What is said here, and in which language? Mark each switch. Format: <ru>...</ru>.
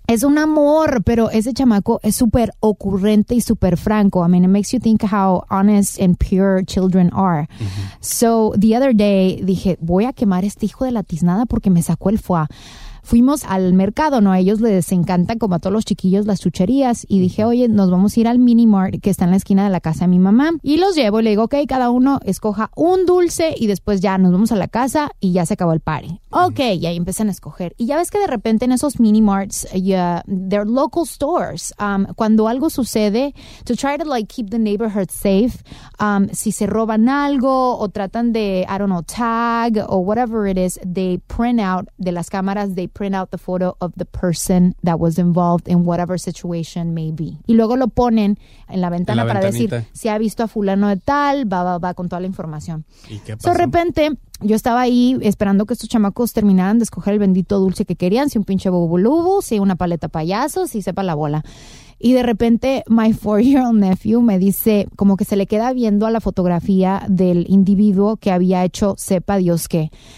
<es>Es un amor, pero ese chamaco es súper ocurrente y súper franco.</es> <en>I mean, it makes you think how honest and pure children are. Mm-hmm. So, the other day,</en> <es>dije, voy a quemar a este hijo de la tiznada porque me sacó el foie. Fuimos al mercado, ¿no? A ellos les encantan, como a todos los chiquillos, las chucherías. Y dije, oye, nos vamos a ir al mini mart que está en la esquina de la casa de mi mamá. Y los llevo y le digo, ok, cada uno escoja un dulce y después ya nos vamos a la casa y ya se acabó el party. Ok, y ahí empiezan a escoger. Y ya ves que de repente en esos mini marts,</es> <en>they're local stores.</en> <es>Cuando algo sucede,</es> <en>to try to like keep the neighborhood safe,</en> <es>si se roban algo o tratan de,</es> <en>I don't know, tag o whatever it is, they print out</en> <es>de las cámaras de.</es> <en>They print out the photo of the person that was involved in whatever situation may be.</en> <es>Y luego lo ponen en la ventana para decir si ha visto a fulano de tal, va con toda la información. ¿Y qué pasó? De repente, yo estaba ahí esperando que estos chamacos terminaran de escoger el bendito dulce que querían, si un pinche bubulubu, si una paleta payaso, si sepa la bola. Y de repente,</es> <en>my four-year-old nephew</en> <es>me dice, como que se le queda viendo a la fotografía del individuo que había hecho sepa Dios qué.</es>